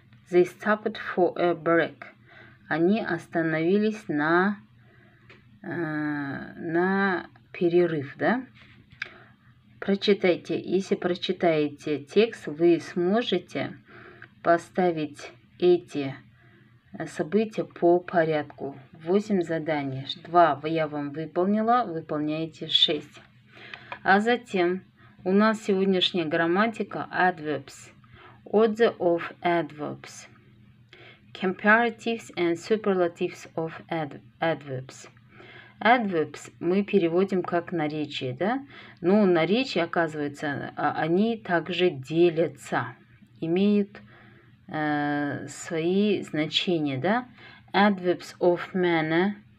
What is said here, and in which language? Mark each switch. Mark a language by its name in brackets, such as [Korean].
[English] They stopped for a break. [Russian] Они остановились на перерыв, да? Прочитайте. Если прочитаете текст, вы сможете поставить эти события по порядку. 8 заданий. 2 я вам выполнила, выполняете 6. А затем у нас сегодняшняя грамматика adverbs. [English] Order of adverbs. Comparatives and superlatives of adverbs. [Russian] Adverbs мы переводим как наречия, да? Но наречия, оказывается, они также делятся, имеют свои значения, да? [English] Adverbs of manner.